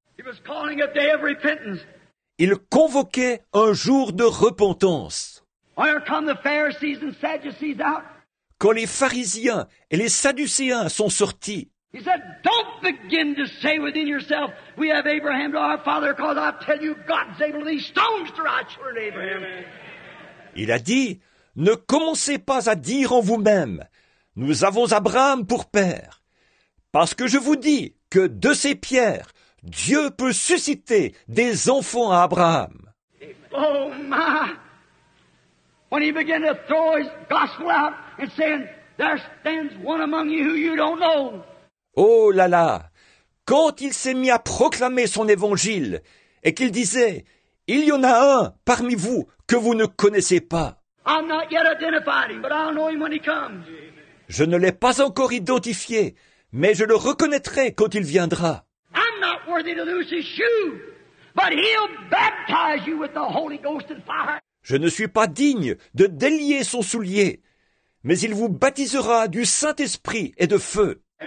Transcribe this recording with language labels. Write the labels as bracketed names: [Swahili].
[English] He was calling a day of repentance. [French] Il convoquait un jour de repentance. [English] Where come the Pharisees and Sadducees out? [French] Quand les pharisiens et les sadducéens sont sortis, [English] he said, don't begin to say within yourself, we have Abraham to our father, because I tell you, God's able to these stones to rise for Abraham. Amen. [French] Il a dit, ne commencez pas à dire en vous-même, nous avons Abraham pour père, parce que je vous dis que de ces pierres, Dieu peut susciter des enfants à Abraham. [English] Oh my! When he began to throw his gospel out and saying, there stands one among you who you don't know. [French] Oh là là! Quand il s'est mis à proclamer son évangile et qu'il disait, il y en a un parmi vous que vous ne connaissez pas. [English] I'm not yet identified him, but I'll know him when he comes. [French] Je ne l'ai pas encore identifié, mais je le reconnaîtrai quand il viendra. [English] I'm not worthy to lose his shoe, but he'll baptize you with the Holy Ghost and fire. [French] Je ne suis pas digne de délier son soulier, mais il vous baptisera du Saint-Esprit et de feu.